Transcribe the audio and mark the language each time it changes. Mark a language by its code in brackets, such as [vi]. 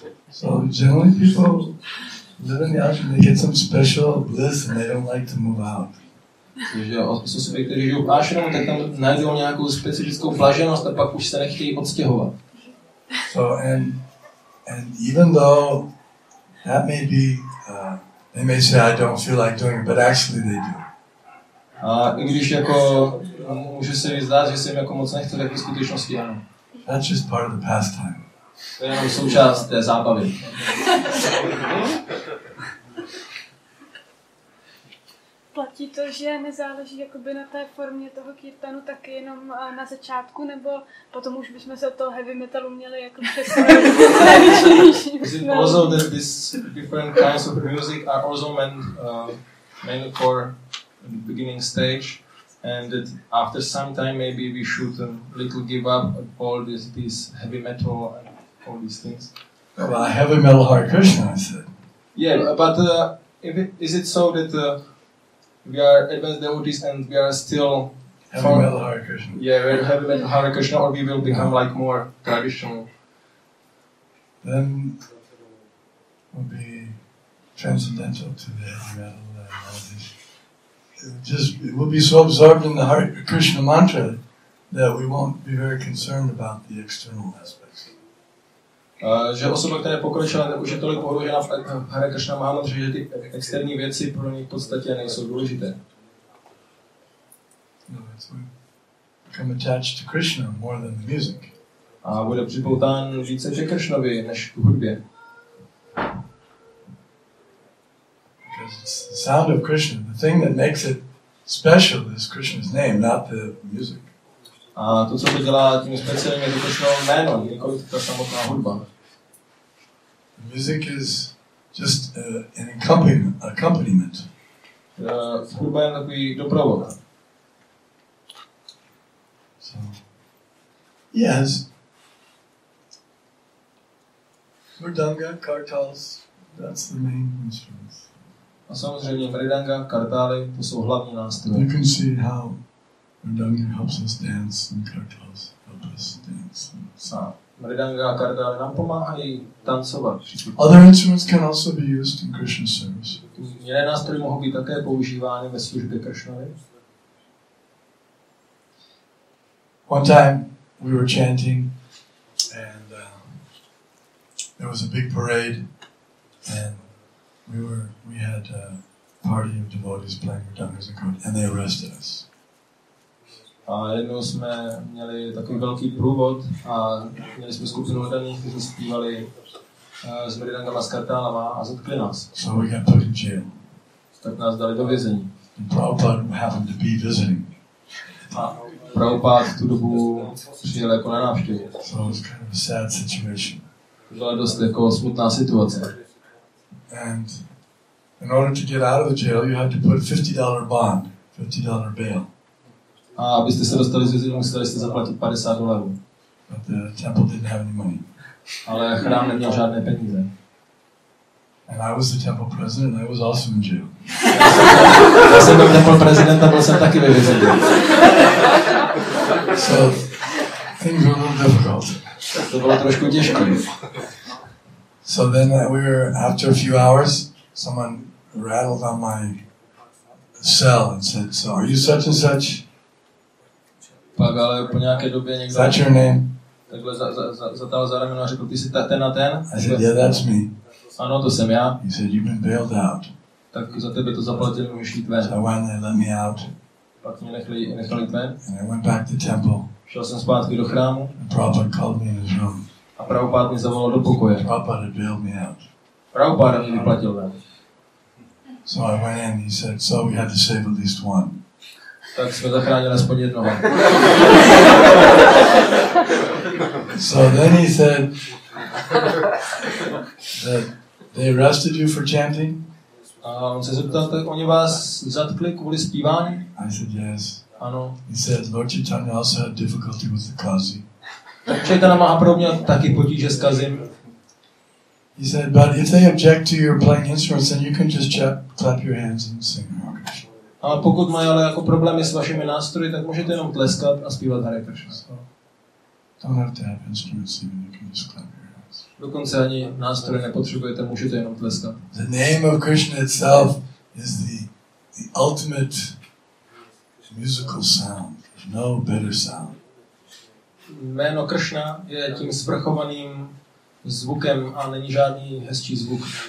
[en] So generally people live in the ashram, they get some special bliss and they don't like to move out. [cs] Osoby, kteří žijou v ashramu, tak tam najdou nějakou specifickou blaženost a pak už se nechtějí odstěhovat. [en] So and even though that may be, they may say I don't feel like doing it, but actually they do. [cs] A i když jako může se mi zdát, že se jim jako moc nechce, tak v skutečnosti ano. [en] That's just part of the pastime. [cs] To je jenom součást té zábavy. Platí to, že nezáleží jakoby na té formě toho kirtanu taky jenom na začátku, nebo potom už bychom se od toho heavy metalu měli jako přesvědčit? [en] Is it also that these different kinds of music are also meant mainly for the beginning stage? And that after some time maybe we should a little give up all this heavy metal and all these things. Well, a heavy metal Hare Krishna, I said. Yeah, but is it so that we are advanced devotees and we are still heavy from, metal Hare Krishna? Yeah, we're heavy metal Hare Krishna, or we will become like more traditional. Then we'll be transcendental to the heavy metal and all these. It will be so absorbed in the Hare Krishna mantra that we won't be very concerned about the external aspects. [cs] Že osoba, která pokročila, už je tolik pohružena v Hare Krishna mantra, že ty externí věci pro ní v podstatě nejsou důležité. [en] No, it's become attached to Krishna more than the music. [cs] A bude připoután více ke Krishnovi než k hudbě. [en] sound of Krishna, the thing that makes it special is Krishna's name, not the music. [cs] A to, co to dělá tím speciálním, je to Krishnovo jméno, nikoliv ta samotná hudba. [en] The music is just an accompaniment. [cs] Hudba je takový doprovod. [en] Yes. Mridanga, kartals, that's the main instruments. [cs] A samozřejmě mridanga, kartály, to jsou hlavní nástroje. [en] You can see how mridanga helps us dance and kartals help us dance. [cs] Mridanga a kartály nám pomáhají tancovat. [en] Other instruments can also be used in Krishna service. [cs] Jiné nástroje mohou být také používány ve službě Krishnovi. [en] One time we were chanting and there was a big parade and we had a party of devotees playing mridangas and they arrested us. [cs] A jednou jsme měli takový velký průvod a měli jsme skupinu hledaných, kteří zpívali s mridangama s kartálama a zatkli nás. [en] So we got put in jail. [cs] Tak nás dali do vězení. [en] And Prabhupada happened to be visiting. [cs] Prabhupád tu dobu přijel jako na návštěvu. [en] So it was kind of a sad situation. [cs] Byla dost jako smutná situace. [en] And in order to get out of the jail, you had to put $50 bond, $50 bail. [cs] A abyste se dostali z vězení, museli jste zaplatit $50. [en] But the temple didn't have any money. [cs] Ale chrám neměl žádné peníze. [en] And I was the temple president, and I was also in jail. [cs] Já jsem byl [en] temple president [cs] a byl jsem taky ve vězení. [en] So things were a little difficult. [cs] To bylo trošku těžké. [en] So then we were after a few hours, someone rattled on my cell and said, "So are you such and such?" [cs] Pak ale po nějaké době někdo. [en] Is that your name? [cs] Takhle zatáhl za rameno a řekl, ty jsi ten a ten. [en] I said, "Yeah, that's me." [cs] Ano, to jsem já. [en] He said, "You've been bailed out." [cs] Tak za tebe to zaplatili, můžeš jít ven. [en] So when they let me out. [cs] Pak mě nechali ven. [en] And I went back to temple. [cs] Šel jsem zpátky do chrámu. [en] And Prabhupada called me in his room. [cs] A Prabhupada mě zavolal do pokoje. [en] Prabhupada had bailed me out. [cs] Prabhupada mě vyplatil ven. [en] So I went in, he said, "So we had to save at least one." [cs] Tak jsme zachránili aspoň jednoho. [en] So then he said that they arrested you for chanting. [cs] A on se zeptal, tak oni vás zatkli kvůli zpívání? [en] I said yes. [cs] Ano. [en] He said, "Lord Chaitanya also had difficulty with the kazi." [cs] Chaitanya Mahaprabhu měl taky potíže s kazim. [en] He said, "But if they object to your playing instruments, then you can just clap your hands and sing Hare Krishna." [cs] A pokud mají ale jako problémy s vašimi nástroji, tak můžete jenom tleskat a zpívat Hare Krishna. [en] So, don't have to have instruments, even you can just clap your hands. [cs] Dokonce ani nástroje nepotřebujete, můžete jenom tleskat. [en] The name of Krishna itself is the ultimate musical sound. There's no better sound. [cs] Jméno Krishna je tím svrchovaným zvukem a není žádný hezčí zvuk.